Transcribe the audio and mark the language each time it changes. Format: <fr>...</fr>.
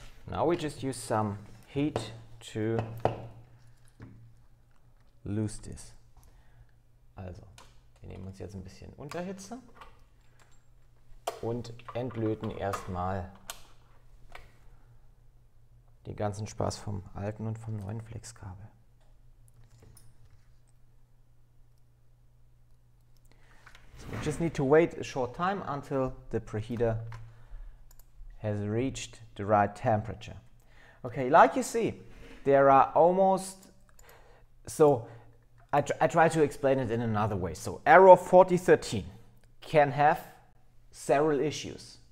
<en>Now we just use some heat to loose this.</en> <de>Also. Wir nehmen uns jetzt ein bisschen Unterhitze und entlöten erstmal den ganzen Spaß vom alten und vom neuen Flexkabel.</de> <en>So we just need to wait a short time until the preheater has reached the right temperature. Okay, like you see, there are almost so. I try to explain it in another way. So error 4013 can have several issues.</en>